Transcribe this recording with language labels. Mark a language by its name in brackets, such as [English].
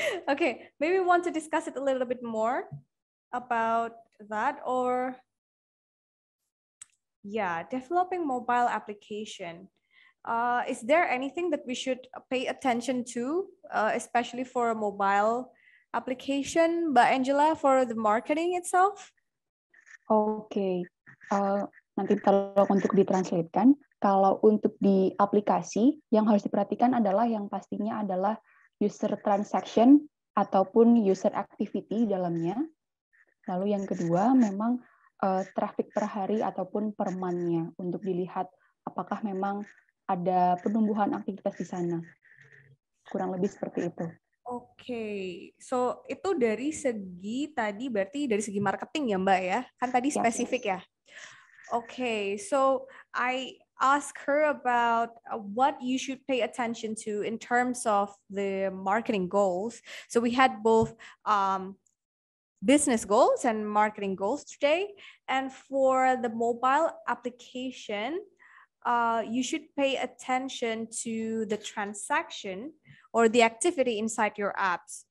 [English] Okay, maybe we want to discuss it a little bit more about that, or yeah, developing mobile application. Is there anything that we should pay attention to, especially for a mobile application, but Angela, for the marketing itself? [Indonesian] Okay, nanti tolong untuk ditranslatekan. Kalau untuk di aplikasi, yang harus diperhatikan adalah yang pastinya adalah user transaction ataupun user activity di dalamnya. Lalu yang kedua memang traffic per hari ataupun per month-nya untuk dilihat apakah memang ada penumbuhan aktivitas di sana. Kurang lebih seperti itu. Okay, so itu dari segi tadi berarti dari segi marketing ya Mbak ya? Kan tadi spesifik ya? [English] Okay, so I ask her about what you should pay attention to in terms of the marketing goals. So we had both business goals and marketing goals today. And for the mobile application, you should pay attention to the transaction or the activity inside your apps.